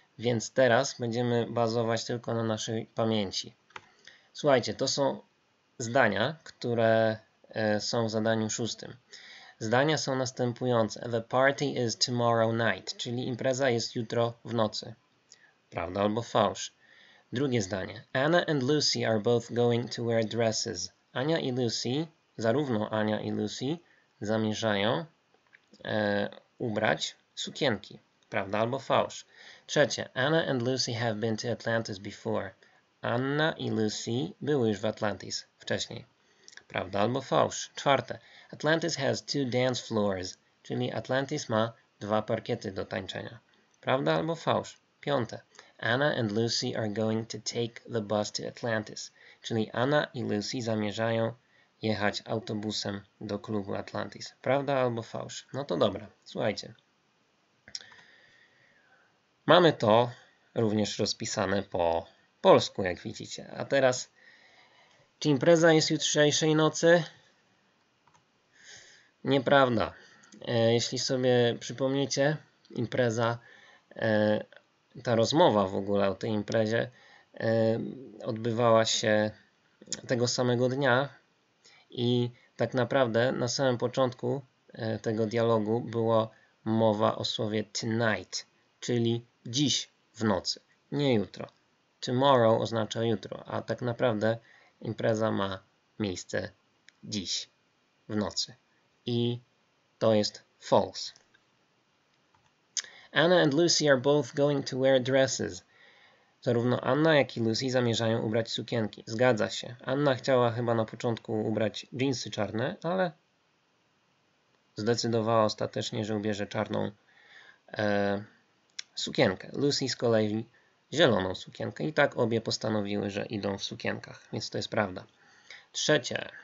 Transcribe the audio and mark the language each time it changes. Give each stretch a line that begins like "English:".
Polish: Więc teraz będziemy bazować tylko na naszej pamięci. Słuchajcie, to są zdania, które są w zadaniu szóstym. Zdania są następujące.
English: The party is tomorrow night,
Polish: czyli impreza jest jutro w nocy. Prawda albo fałsz. Drugie zdanie.
English: Anna and Lucy are both going to wear dresses.
Polish: Ania i Lucy, zarówno Ania i Lucy, zamierzają ubrać sukienki. Prawda albo fałsz. Trzecie.
English: Anna and Lucy have been to Atlantis before.
Polish: Anna i Lucy były już w Atlantis wcześniej. Prawda albo fałsz. Czwarte.
English: Atlantis has two dance floors.
Polish: Czyli Atlantis ma dwa parkiety do tańczenia. Prawda albo fałsz. Piąte.
English: Anna and Lucy are going to take the bus to Atlantis.
Polish: Czyli Anna i Lucy zamierzają jechać autobusem do klubu Atlantis. Prawda albo fałsz. No to dobra. Słuchajcie. Mamy to również rozpisane po polsku, jak widzicie. A teraz, czy impreza jest jutrzejszej nocy? Nieprawda. Jeśli sobie przypomniecie, impreza, ta rozmowa w ogóle o tej imprezie odbywała się tego samego dnia i tak naprawdę na samym początku tego dialogu była mowa o słowie tonight, czyli dziś w nocy, nie jutro. Tomorrow oznacza jutro, a tak naprawdę impreza ma miejsce dziś w nocy. I to jest false.
English: Anna and Lucy are both going to wear dresses.
Polish: Zarówno Anna, jak i Lucy zamierzają ubrać sukienki. Zgadza się. Anna chciała chyba na początku ubrać dżinsy czarne, ale zdecydowała ostatecznie, że ubierze czarną sukienkę. Lucy z kolei zieloną sukienkę. I tak obie postanowiły, że idą w sukienkach. Więc to jest prawda. Trzecie.